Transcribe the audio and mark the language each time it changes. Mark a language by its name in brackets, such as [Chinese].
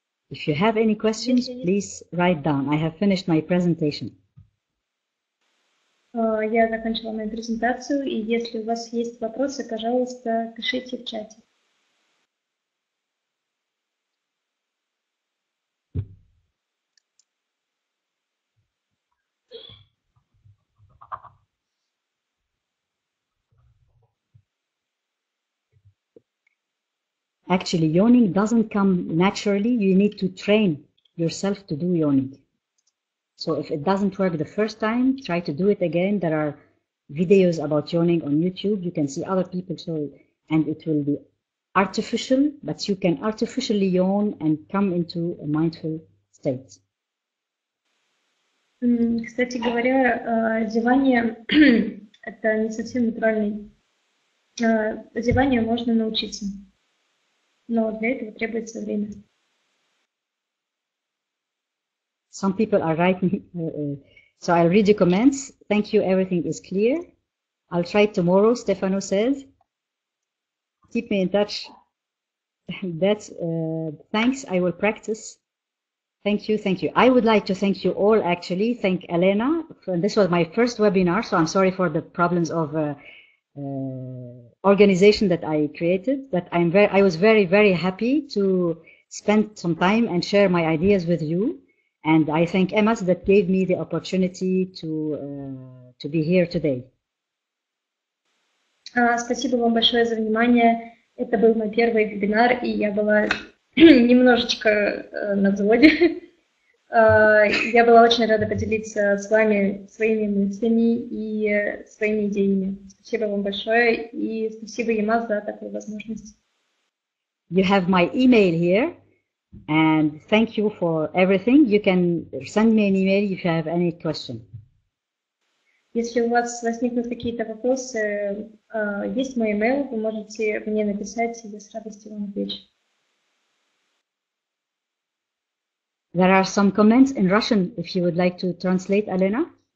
[English] If you have any questions, please write down. I have finished my presentation. [Russian] Я закончила мою презентацию, и если у вас есть вопросы, пожалуйста, пишите в чате. [English] Actually, yawning doesn't come naturally. You need to train yourself to do yawning. So if it doesn't work the first time, try to do it again. There are videos about yawning on YouTube. You can see other people show it, and it will be artificial, but you can artificially yawn and come into a mindful state. [Russian] Кстати говоря, зевание это не совсем натуральный. Зевание можно научиться. Но для этого требуется время. [English] Some people are writing, so I'll read your comments. Thank you, everything is clear. I'll try tomorrow, Stefano says. Keep me in touch. That's, thanks, I will practice. Thank you, thank you. I would like to thank you all, actually. Thank Elena. This was my first webinar, so I'm sorry for the problems of organization that I created, but I was very, very happy to spend some time and share my ideas with you. And I thank EMAS that gave me the opportunity to be here today. [Russian] Спасибо вам большое за внимание. Это был мой первый вебинар, и я была немножечко на взводе. Я была очень рада поделиться с вами своими мыслями и своими идеями. Спасибо вам большое и спасибо EMAS за такую возможность. [English] You have my email here and thank you for everything. You can send me an email if you have any question. [Russian] Если у вас возникнут какие-то вопросы, есть мой email, вы можете мне написать, я с радостью вам отвечу. [English] There are some comments in Russian if you would like to translate, Alena.